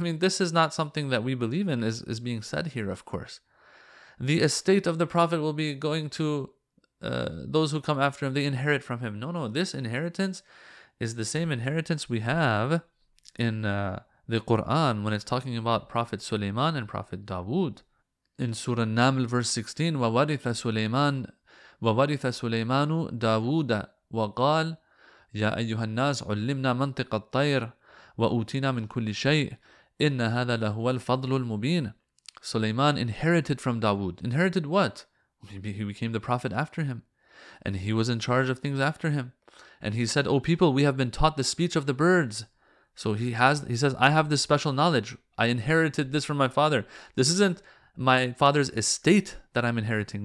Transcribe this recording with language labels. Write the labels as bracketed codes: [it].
[en] I mean, this is not something that we believe in is being said here, of course. The estate of the Prophet will be going to those who come after him. They inherit from him. No. This inheritance is the same inheritance we have in the Quran when it's talking about Prophet Sulaiman and Prophet Dawood. In Surah An-Naml, verse 16, [ar] وَوَرِثَ سُلَيْمَانُ وَوَرِثَ سُلَيْمَانُ دَاوُودَ وَقَالَ يَا أَيُّهَا النَّاسُ عُلِّمْنَا مَنْطِقَ الطَّيْرِ وَأُوتِينَا مِنْ كُلِّ شَيْءٍ إِنَّ هَذَا لَهُوَ الْفَضْلُ الْمُبِينُ. [en] Sulaiman inherited from Dawood. Inherited what? Maybe he became the Prophet after him. And he was in charge of things after him. And he said, oh people, we have been taught the speech of the birds. So he says, I have this special knowledge. I inherited this from my father. This isn't my father's estate that I'm inheriting.